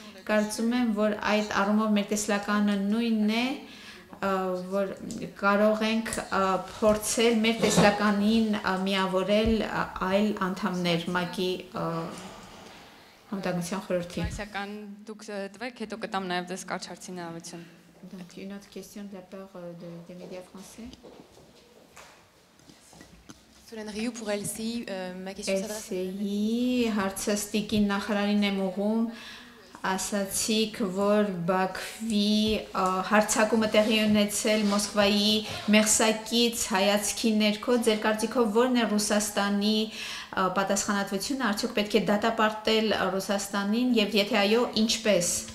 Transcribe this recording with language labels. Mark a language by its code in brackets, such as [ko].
[hy] Կարծում եմ, որ այդ առումով մեր տեսլականը նույնն է, որ կարող ենք փորձել մեր տեսլականին միավորել այլ անդամներ ՄԱԿ-ի անվտանգության խորհրդի։ Ֆրանսիական դուք տվեք, հետո կտամ նաև ձեզ կարճացին հավություն։ [fr] Une autre question de la part des médias français. Solène Rioux pour LCI, ma question s'adresse [hy] à LCI, հարցս Տիկին նախարարին եմ ուղում, ասացիք, որ Բաքվի հարցակումը տեղի ունեցել Մոսկվայի մեղսակից հայացքի ներքո, ձեր կարծիքով որն է Ռուսաստանի պատասխանատվությունը, արդյոք պետք է դատապարտել Ռուսաստանին, և եթե այո, ինչպես։